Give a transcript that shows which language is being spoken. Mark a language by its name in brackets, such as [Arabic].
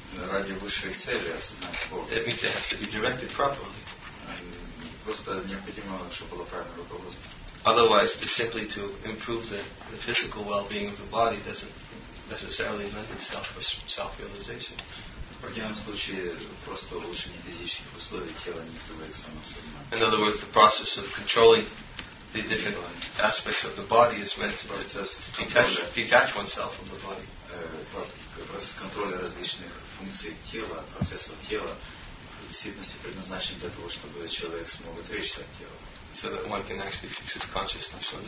[Russian] Ради высших целей осознать Бога. [English] It means it has to be directed properly. [Russian] Просто необходимо, чтобы было правильное руководство. [English] Otherwise, it's simply to improve the physical well-being of the body doesn't necessarily lend itself for self-realization. [Russian] В противном случае просто улучшение физических условий тела не требует самосознания. [English] In other words, the process of controlling the different aspects of the body is meant to detach oneself from the body. [Russian] Процесс контроля различных функций тела, процессов тела, в действительности предназначен для того, чтобы человек смог отречься от тела. [English] So that one can actually fix his consciousness on the